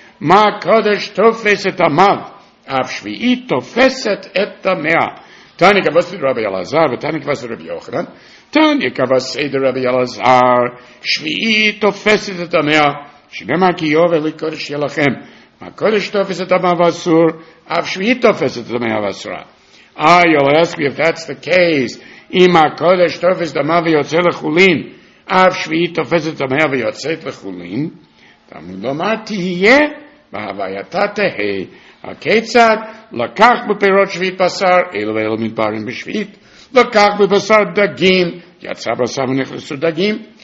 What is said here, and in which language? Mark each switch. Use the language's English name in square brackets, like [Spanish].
[Hebrew] מה קדש תופס את עמד? אף שביעית תופסת את המאה. תניא כבשת רבי אלעזר ותניא כבשת רבי יוחנן. תניא כבשת רבי אלעזר, שביעית תופסת את המאה. שנאמר כי יובל היא קודש יהיה לכם. מה קודש תופס את המאה ואסור, אף שביעית תופסת את המאה ואסורה. [English] You'll ask me if that's the case. [Hebrew] אם הקודש תופס את המאה ויוצא לחולין, אף שביעית תופסת את המאה ויוצאת לחולין, תמיד לומר תהיה בהווייתה תהי. הכיצד? לקח בפירות שביעית בשר, אלו ואלו מדברים בשביעית. לקח בבשר דגים, יצא בשר ונכנסו דגים.